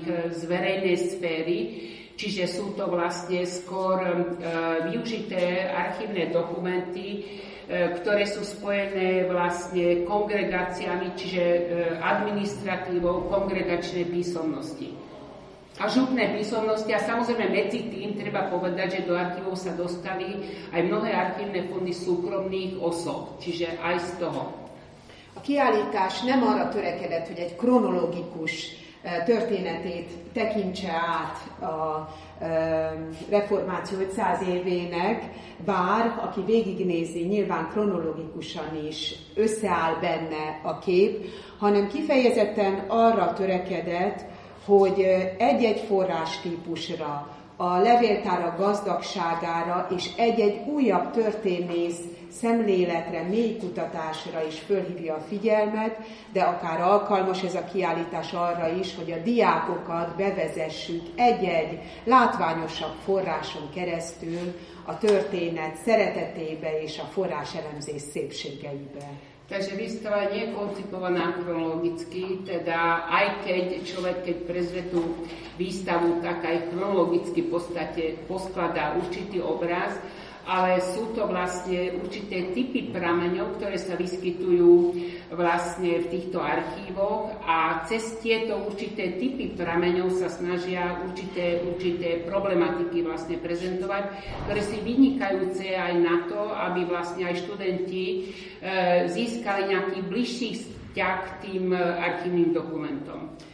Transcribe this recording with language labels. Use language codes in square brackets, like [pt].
[sk] Z verejnej sféry, čiže sú to vlastne skôr využité archívne dokumenty, ktoré sú spojené vlastne kongregáciami, čiže administratívou kongregačnej písomnosti. A župné písomnosti, a samozrejme medzi tým treba povedať, že do archívov sa dostali aj mnohé archívne fondy súkromných osob, čiže aj z toho. [hu] A kiállítás nem arra törekedett, hogy egy kronológikus történetét tekintse át a reformáció 500 évének, bár aki végignézi, nyilván kronológikusan is összeáll benne a kép, hanem kifejezetten arra törekedett, hogy egy-egy forrástípusra, a levéltárak gazdagságára és egy-egy újabb történész szemléletre, mély kutatásra is fölhívja a figyelmet, de akár alkalmas ez a kiállítás arra is, hogy a diákokat bevezessük egy-egy látványosabb forráson keresztül a történet szeretetébe és a forrás elemzés szépségeibe. [sk] Takže výstava nie je koncipovaná chronologicky, teda aj keď človek, keď prezrie tú výstavu, tak aj chronologicky v podstate poskladá určitý obraz, ale sú to vlastne určité typy prameňov, ktoré sa vyskytujú vlastne v týchto archívoch a cez tieto určité typy prameňov sa snažia určité problematiky vlastne prezentovať, ktoré sú vynikajúce aj na to, aby vlastne aj študenti získali nejaký bližší vzťah k tým archívnym dokumentom.